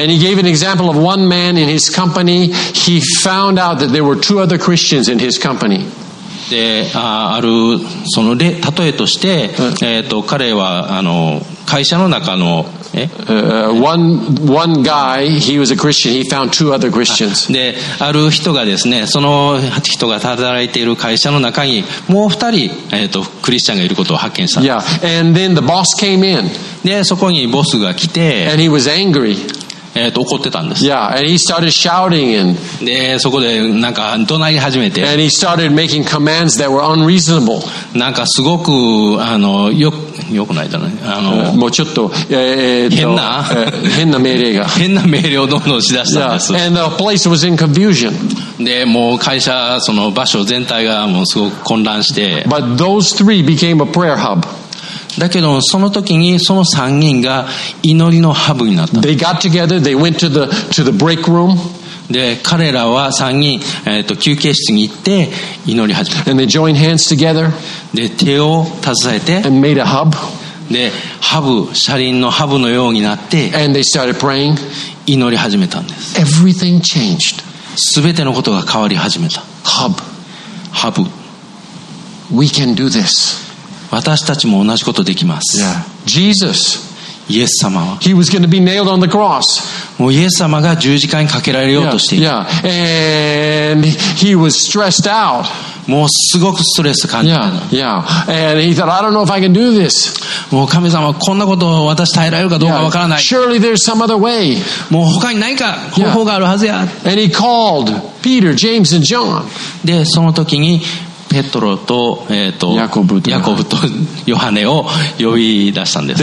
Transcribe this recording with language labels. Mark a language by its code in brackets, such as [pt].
[en] And he gave an example of one man in his company. He found out that there were two other Christians in his company. [ja] で、あるそので例えとして、彼は会社の中の、 [en] one guy, he was a Christian. He found two other Christians. [ja] で、ある人がですね、その人が働いている会社の中にもう二人、クリスチャンがいることを発見した。 [en] Yeah, and then the boss came in. [ja] で、そこにボスが来て、 [en] and he was angry. [ja] 怒ってたんです。 [en] Yeah, and he started shouting and. [ja] で、そこでなんか怒鳴り始めて、 [en] and he started making commands that were unreasonable. [ja] なんかすごくよくないじゃない、もうちょっと、変な命令をどんどんしだしたんです。 [en] Yeah. And the place was in confusion. [ja] で、もう会社、その場所全体がもうすごく混乱して。 [en] But those three became a prayer hub. [ja] だけどその時にその3人が祈りのハブになった。 [en] They got together, they went to the break room. [ja] で彼らは3人、休憩室に行って祈り始めた。 [en] And they joined hands together. [ja] で手を携えて [en] And made a hub. [ja] でハブ車輪のハブのようになって [en] And they started praying. [ja] 祈り始めたんです。 [en] Everything changed. [ja] 全てのことが変わり始めた。 [en] Hub. [ja] ハブ。 [en] We can do this. [ja] 私たちも同じことできます。 [en] Yeah. Jesus. [ja] イエス様は [en] He was going to be nailed on the cross. [ja] もうイエス様が十字架にかけられようとしている [en] 。 Yeah, yeah. And he was stressed out. [ja] もうすごくストレス感じてる。 [en] Yeah, yeah. And he thought, I don't know if I can do this. [ja] もう神様こんなことを私耐えられるかどうかわからない。 [en] Yeah. Surely there's some other way. [ja] もう他に何か方法があるはずや。 [en] Yeah. And he called Peter, James, and John. [ja] でその時にペトロと、ヤコブとヤコブとヨハネを呼び出したんです。